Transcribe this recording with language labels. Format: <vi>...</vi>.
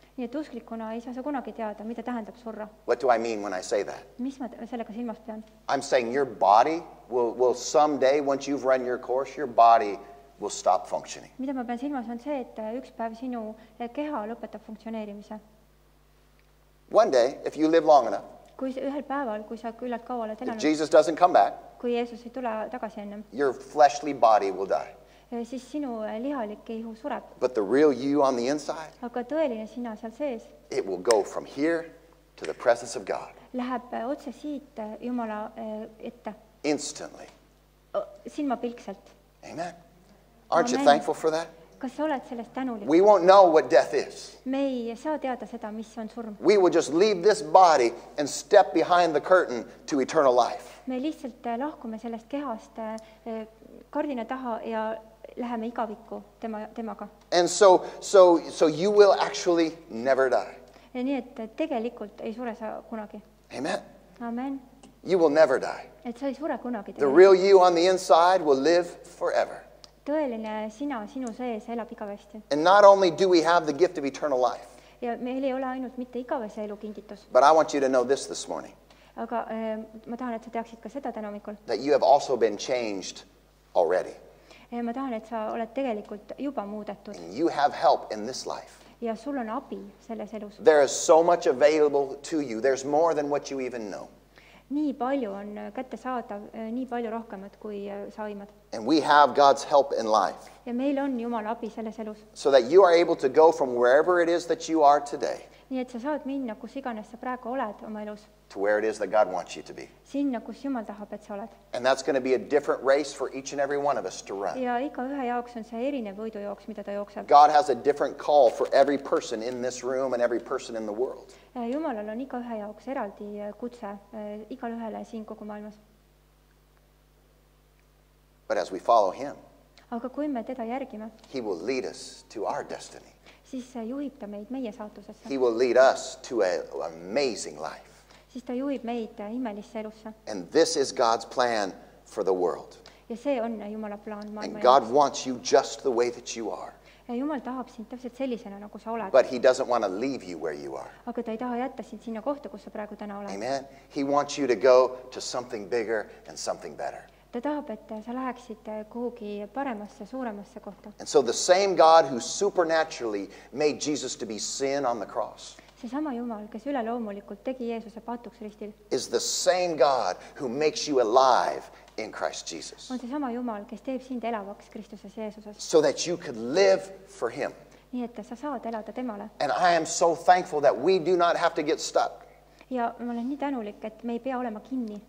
<et>Nii et usklikuna ei saa kunagi teada, mida tähendab surra.</et> <en>What do I mean when I say that?</en> <et>Mis ma sellega silmas pean?</et> <en>I'm saying your body will someday, once you've run your course, your body will stop functioning.</en> <et>Mida ma pean silmas on see, et üks päev sinu keha lõpetab funktsioneerimise.</et> <en>One day, if you live long enough,</en> <et>kui ühel päeval, kui sa küllalt kaua oled elanud,</et> <en>if Jesus doesn't come back,</en> <et>kui Jeesus ei tule tagasi ennem,</et> <en>your fleshly body will die.</en> <et>Siis sinu lihalik ihu sureb.</et> <en>But the real you on the inside,</en> <et>aga tõeline sina seal sees,</et> <en>it will go from here to the presence of God.</en> <et>Läheb otse siit Jumala ette.</et> <en>Instantly.</en> <et>Silmapilkselt.</et> <en>Amen. Aren't you thankful for that?</en> <et>Kas sa oled sellest tänulik?</et> <en>We won't know what death is.</en> <et>Me ei saa teada seda, mis on surm.</et> <en>We will just leave this body and step behind the curtain to eternal life.</en> <et>Me lihtsalt lahkume sellest kehast kardina taha ja läheme igaviku temaga.</et> <en>And so you will actually never die.</en> <et>Ja nii, et tegelikult ei sure sa kunagi.</et> <en>Amen. Amen. You will never die.</en> <et>Et sa ei sure kunagi.</et> <en>The real you on the inside will live forever.</en> <et>Tõeline sina sinu sees elab igavesti.</et> <en>And not only do we have the gift of eternal life.</en> <et>Ja meil ei ole ainult mitte igavese elu kingitus.</et> <en>But I want you to know this morning.</en> <et>Aga ma tahan, et sa teaksid ka seda tänumikul.</et> <en>That you have also been changed already.</en> <et>Ma tahan, et sa oled tegelikult juba muudetud.</et> <en>And you have help in this life.</en> <et>Ja sul on abi selles elus.</et> <en>There is so much available to you. There's more than what you even know.</en> <et>Nii palju on kätte saadav, nii palju rohkemat kui saimad.</et> <en>And we have God's help in life.</en> <et>Ja meil on Jumal abi selles elus.</et> <en>So that you are able to go from wherever it is that you are today.</en> <et>Nii et sa saad minna, kus iganes sa praegu oled oma elus.</et> <en>To where it is that God wants you to be.</en> <et>Sinna, kus Jumal tahab, et sa oled.</et> <en>And that's going to be a different race for each and every one of us to run.</en> <et>Ja iga ühe jaoks on see erinev võidujooks, mida ta jookseb.</et> <en>God has a different call for every person in this room and every person in the world.</en> <et>Jumalal on iga ühe jaoks eraldi kutse igal ühele siin kogu maailmas.</et> <en>But as we follow him,</en> <et>aga kui me teda järgime,</et> <en>he will lead us to our destiny.</en> <et>Siis juhib ta meid meie saatusesse.</et> <en>He will lead us to an amazing life.</en> <et>Siis ta juhib meid imelisse elusse.</et> <en>And this is God's plan for the world.</en> <et>Ja see on Jumala plaan maailma.</et> <en>And God wants you just the way that you are.</en> <et>Ja Jumal tahab sind täpselt sellisena, nagu sa oled.</et> <en>But he doesn't want to leave you where you are.</en> <et>Aga ta ei taha jätta sind sinna kohta, kus sa praegu täna oled.</et> <en>Amen. He wants you to go to something bigger and something better.</en> <et>Ta tahab, et sa läheksid kuhugi paremasse, suuremasse kohta.</et> <en>And so the same God who supernaturally made Jesus to be sin on the cross.</en> <et>See sama Jumal, kes üleloomulikult tegi Jeesuse patuks ristil.</et> <en>Is the same God who makes you alive in Christ Jesus.</en> <et>On see sama Jumal, kes teeb sind elavaks Kristuses Jeesuses.</et> <en>So that you could live for him.</en> <et>Nii et sa saad elada temale.</et> <en>And I am so thankful that we do not have to get stuck.</en> <et>Ja ma olen nii tänulik, et me ei pea olema kinni.</et>